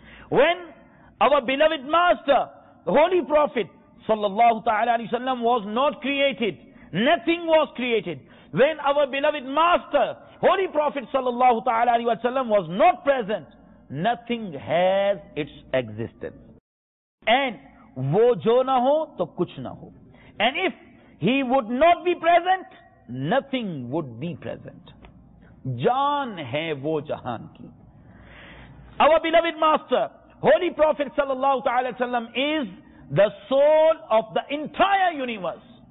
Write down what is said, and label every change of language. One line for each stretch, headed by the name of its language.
English: When our beloved master, the Holy Prophet sallallahu ta'ala alayhi wasallam was not created, nothing was created. When our beloved master, Holy Prophet sallallahu ta'ala alayhi wasallam was not present, nothing has its existence. And
Urdu: وہ جو نہ ہو تو کچھ نہ ہو.
English: And if he would not be present, nothing would be present.
Urdu: جان ہے وہ جہان کی.
English: Our beloved master, Holy Prophet sallallahu ta'ala sallam is the soul of the entire universe.